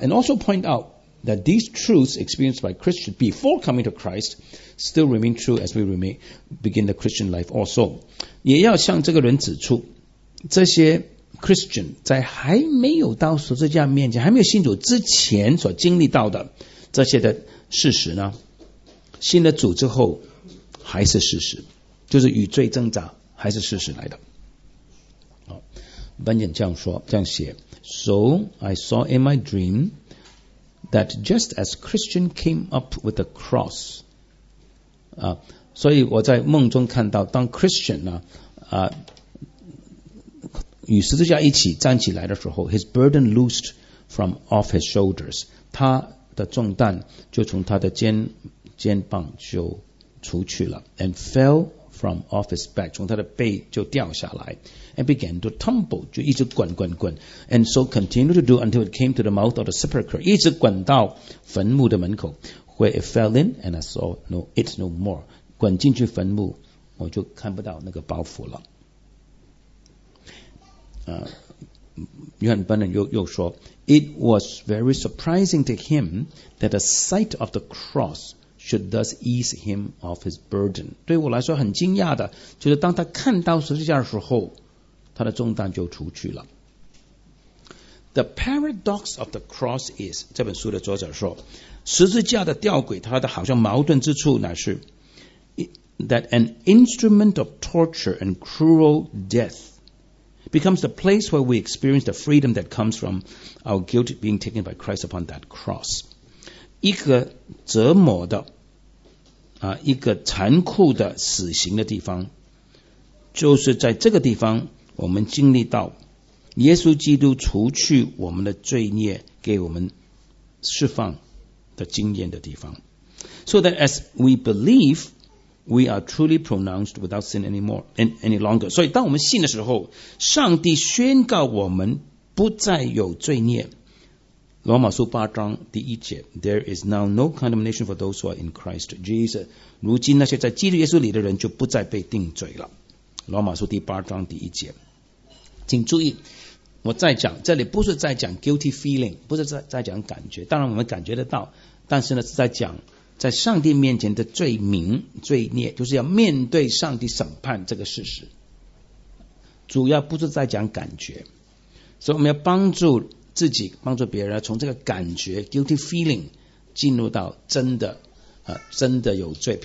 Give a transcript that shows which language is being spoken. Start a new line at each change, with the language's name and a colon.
English: and also point outthat these truths experienced by Christians before coming to Christ still remain true as we remain begin the Christian life also.
Chinese: 也要向这个人指出这些 Christian 在还没有到十字架面前还没有信主之前所经历到的这些的事实呢信了主之后还是事实就是与罪挣扎还是事实来的。
English: Bunyan
Chinese: 这样说这样写
English: So I saw in my dreamthat just as Christian came up with the cross
Chinese: 所以我在梦中看到当 Christian 呢、与十字架一起站起来的时候
English: his burden loosed from off his shoulders
Chinese: 他的重担就从他的肩膀就除去了
English: and fell from off his back,
Chinese: 从他的背就掉下来。
English: And began to tumble,
Chinese: 就一直滚滚滚。
English: And so continued to do until it came to the mouth of the sepulchre,
Chinese: 一直滚到坟墓的门口。
English: Where it fell in, and I saw no, it no more.
Chinese: 滚进去坟墓，我就看不到那个包袱了。约翰·班恩又说
English: ，It was very surprising to him that the sight of the cross should thus ease him of his burden.
Chinese: 对我来说很惊讶的，就是当他看到十字架的时候，他的重担就除去了。
English: The paradox of the cross is
Chinese: 这本书的作者说，十字架的吊诡，它的好像矛盾之处乃是
English: that an instrument of torture and cruel death. becomes the place where we experience the freedom that comes from our guilt being taken by Christ upon that cross.
Chinese: 一个折磨的、一个残酷的死刑的地方，就是在这个地方我们经历到耶稣基督除去我们的罪孽给我们释放的经验的地方。
English: So that as we believeWe are truly pronounced without sin anymore, any longer.
Chinese: 所以当我们信的时候，上帝宣告我们不再有罪孽。罗马书八章第一节
English: ,There is now no condemnation for those who are in Christ Jesus.
Chinese: 如今那些在基督耶稣里的人就不再被定罪了。罗马书第八章第一节。请注意，我再讲，这里不是在讲
English: guilty feeling,
Chinese: 不是 在讲感觉，当然我们感觉得到，但是呢是在讲在上帝面前的罪名罪孽，就是要面对上帝审判这个事实，主要不是在讲感觉，所以我们要帮助自己帮助别人从这个感觉 guilty feeling 进入到真的、真的有罪。